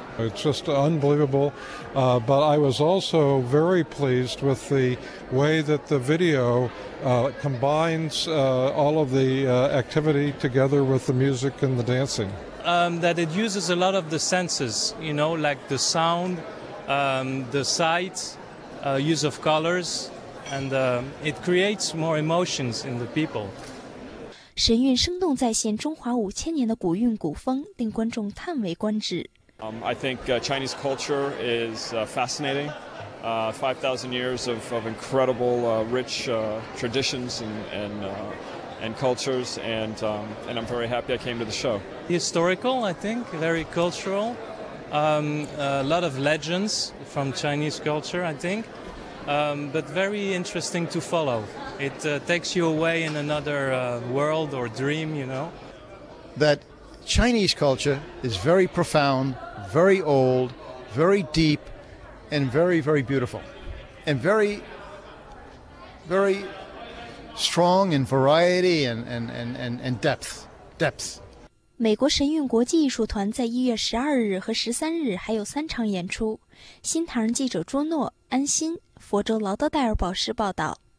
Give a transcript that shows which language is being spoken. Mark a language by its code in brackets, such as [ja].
[en] It's just unbelievable, but I was also very pleased with the way that the video combines all of the activity together with the music and the dancing. That it uses a lot of the senses, you know, like the sound, the sight, use of colors, and it creates more emotions in the people. [zh] 神韵生动再现中华五千年的古韵古风，令观众叹为观止。 [en] I think Chinese culture is fascinating. 5,000 years of incredible, rich traditions and cultures, and I'm very happy I came to the show. Historical, I think, very cultural. A lot of legends from Chinese culture, I think, but very interesting to follow. It takes you away in another world or dream, you know. That Chinese culture is very profound, very old, very deep, and very, very beautiful, and very, very... strong in variety and depth. [zh] 美国神韵国际艺术团在1月12日和13日还有三场演出。新唐人记者朱诺、安心，佛州劳德代尔堡市报道。